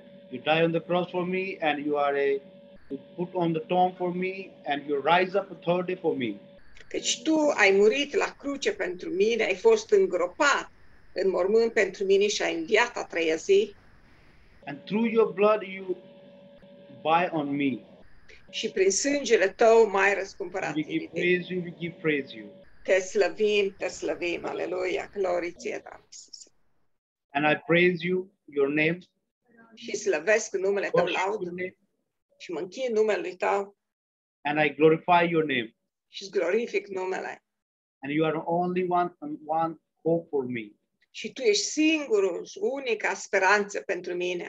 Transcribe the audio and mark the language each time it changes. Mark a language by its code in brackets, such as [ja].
[en] You die on the cross for me and you are a put on the tomb for me and you rise up a third day for me. [ro] Căci tu ai murit la cruce pentru mine, ai fost îngropat în mormânt pentru mine și ai înviat a treia zi. [en] And through your blood you buy on me. [ro] Și prin sângele tău m-ai răscumpărat. [en] We give praise you, we give praise you. [ro] Te slăvim, te slăvim. Aleluia, glorie ție, Doamne. [en] And I praise you, your name. [ro] Și slăvesc numele tău, laud. Și mă închin numele tău. [en] And I glorify your name. [ro] Și glorific numele. [en] And you are the only one hope for me. [ro] Și tu ești singurul și unica speranță pentru mine.